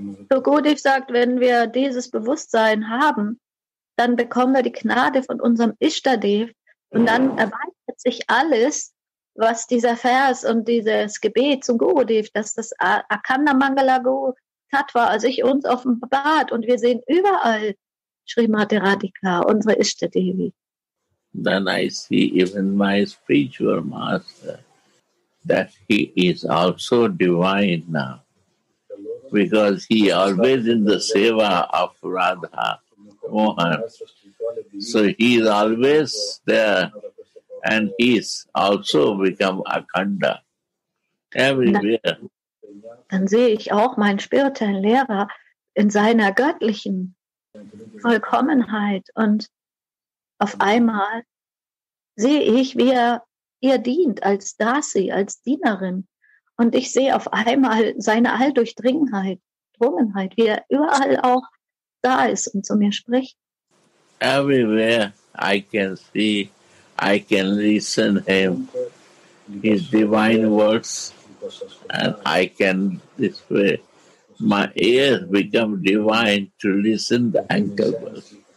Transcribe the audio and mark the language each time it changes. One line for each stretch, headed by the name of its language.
German: So Gurudev sagt, wenn wir dieses Bewusstsein haben, dann bekommen wir die Gnade von unserem Ishtadev. Und dann erweitert sich alles, was dieser Vers und dieses Gebet zum Gurudev, dass das Akanda Mangala Guru Tattva sich uns offenbart und wir sehen überall Srimati Radhika, unsere Ishta Devi.
English: Then I see even my spiritual master that he is also divine now because he always in the seva of Radha Mohan. So he is always there and he is also become akanda everywhere.
German: Dann sehe ich auch meinen spirituellen Lehrer in seiner göttlichen Vollkommenheit und auf einmal sehe ich, wie er ihr dient als Dasi, als Dienerin und ich sehe auf einmal seine Alldurchdringenheit, Drungenheit, wie er überall auch da ist und zu mir spricht.
English: Everywhere I can see, I can listen him, his divine words, and I can this way, my ears become divine to listen the ankle words.